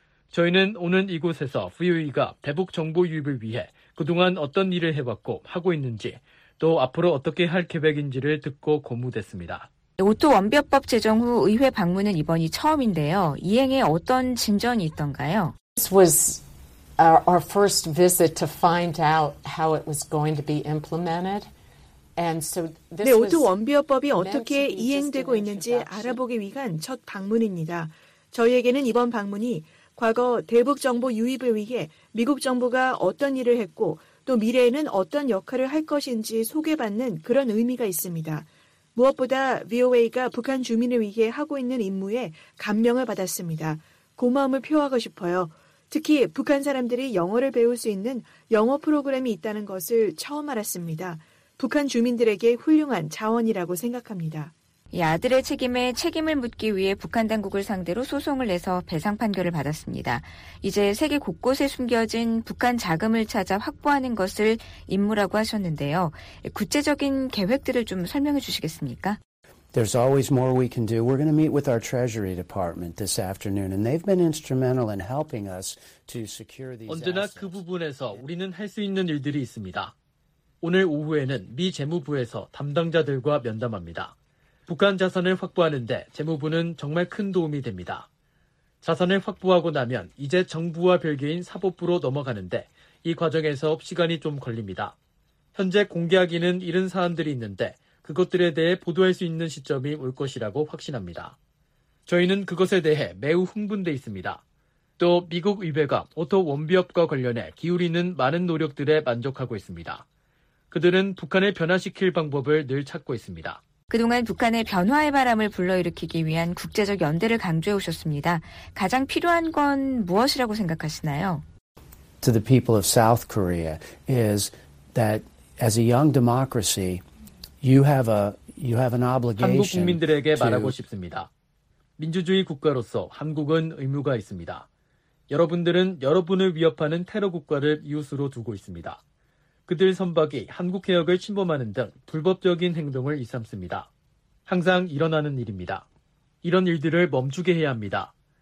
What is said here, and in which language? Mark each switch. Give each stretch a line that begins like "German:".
Korean: 저희는 오늘 이곳에서 VOA가 대북 정보 유입을 위해 그동안 어떤 일을 해왔고 하고 있는지 또 앞으로 어떻게 할 계획인지를 듣고 고무됐습니다. 오토 원비어법 제정 후 의회 방문은 이번이 처음인데요. 이행에 어떤 진전이 있던가요?
English: This was our first visit to find out how it was going to be implemented. And so this
Korean: 네, 오토 원비어법이 어떻게 이행되고 있는지 알아보기 위한 첫 방문입니다. 저희에게는 이번 방문이 과거 대북 정보 유입을 위해 미국 정부가 어떤 일을 했고 또 미래에는 어떤 역할을 할 것인지 소개받는 그런 의미가 있습니다. 무엇보다 VOA가 북한 주민을 위해 하고 있는 임무에 감명을 받았습니다. 고마움을 표하고 싶어요. 특히 북한 사람들이 영어를 배울 수 있는 영어 프로그램이 있다는 것을 처음 알았습니다. 북한 주민들에게 훌륭한 자원이라고 생각합니다. 이 아들의 책임에 책임을 묻기 위해 북한 당국을 상대로 소송을 내서 배상 판결을 받았습니다. 이제 세계 곳곳에 숨겨진 북한 자금을 찾아 확보하는 것을 임무라고 하셨는데요. 구체적인 계획들을 좀 설명해 주시겠습니까?
English: There's always more we can do. We're going to meet with our Treasury Department this afternoon, and they've been instrumental in helping us to secure these.
Korean: 언제나
English: assets.
Korean: 그 부분에서 우리는 할 수 있는 일들이 있습니다. 오늘 오후에는 미 재무부에서 담당자들과 면담합니다. 북한 자산을 확보하는데 재무부는 정말 큰 도움이 됩니다. 자산을 확보하고 나면 이제 정부와 별개인 사법부로 넘어가는데 이 과정에서 시간이 좀 걸립니다. 현재 공개하기는 이른 사안들이 있는데 그것들에 대해 보도할 수 있는 시점이 올 것이라고 확신합니다. 저희는 그것에 대해 매우 흥분돼 있습니다. 또 미국 의회가 오토 원비업과 관련해 기울이는 많은 노력들에 만족하고 있습니다. 그들은 북한을 변화시킬 방법을 늘 찾고 있습니다. 그동안 북한의 변화의 바람을 불러일으키기 위한 국제적 연대를 강조해 오셨습니다. 가장 필요한 건 무엇이라고 생각하시나요?
English: To the people of South Korea is that as a young democracy, you have an obligation.
Korean: 한국 국민들에게 말하고 싶습니다. 민주주의 국가로서 한국은 의무가 있습니다. 여러분들은 여러분을 위협하는 테러 국가를 이웃으로 두고 있습니다. 그들 선박이 한국 해역을 침범하는 등 불법적인 행동을 일삼습니다. 항상 일어나는 일입니다. 이런 일들을 멈추게 해야 합니다.